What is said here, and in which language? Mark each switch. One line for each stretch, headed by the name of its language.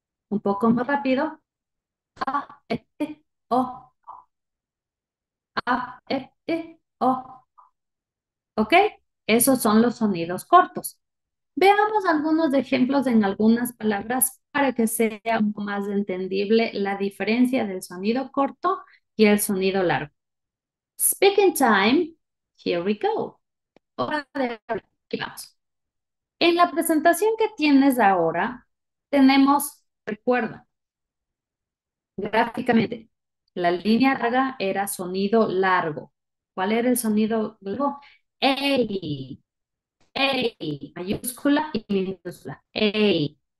Spanish: Un poco más rápido, ah, o, ah, o. ¿Ok? Esos son los sonidos cortos. Veamos algunos ejemplos en algunas palabras para que sea un poco más entendible la diferencia del sonido corto y el sonido largo.
English: Speaking time, here we go.
Spanish: Hora de hablar. Aquí vamos. En la presentación que tienes ahora, tenemos, recuerda, gráficamente, la línea larga era sonido largo. ¿Cuál era el sonido largo? ¡Ey! ¡Ey! Mayúscula y minúscula. ¡Ey!